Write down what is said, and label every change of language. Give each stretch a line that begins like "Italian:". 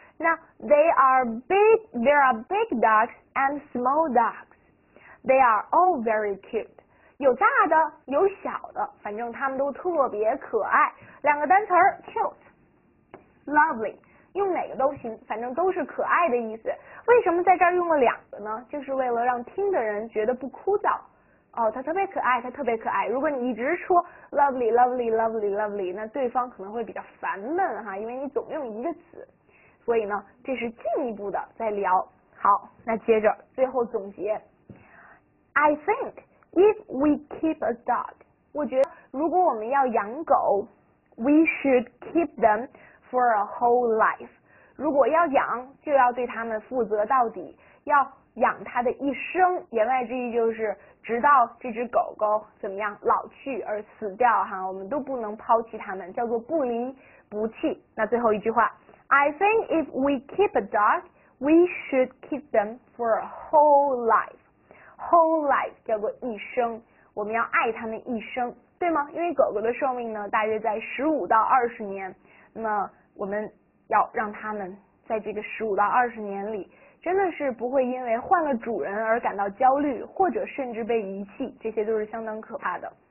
English: 那 there are big dogs and small dogs. They are all very cute.
Chinese: 有大的，有小的，反正他们都特别可爱。两个单词 cute, lovely, 用哪个都行，反正都是可爱的意思。为什么在这儿用了两个呢？就是为了让听的人觉得不枯燥。哦，它特别可爱，它特别可爱。如果你一直说
English: lovely, lovely, lovely, lovely,
Chinese: 那对方可能会比较烦闷哈，因为你总用一个词。所以呢，这是进一步的再聊。好，那接着最后总结。
English: I think if we keep a dog，
Chinese: 我觉得如果我们要养狗
English: ，we should keep them for a whole life。
Chinese: 如果要养，就要对他们负责到底，要养它的一生。言外之意就是，直到这只狗狗怎么样老去而死掉哈，我们都不能抛弃它们，叫做不离不弃。那最后一句话。
English: I think if we keep a dog, we should keep them for a whole life.
Chinese: Whole life 叫做一生，我们要爱它们一生，对吗？因为狗狗的寿命呢，大约在15到20年，那么我们要让它们在这个15到20年里真的是不会因为换了主人而感到焦虑，或者甚至被遗弃，这些都是相当可怕的。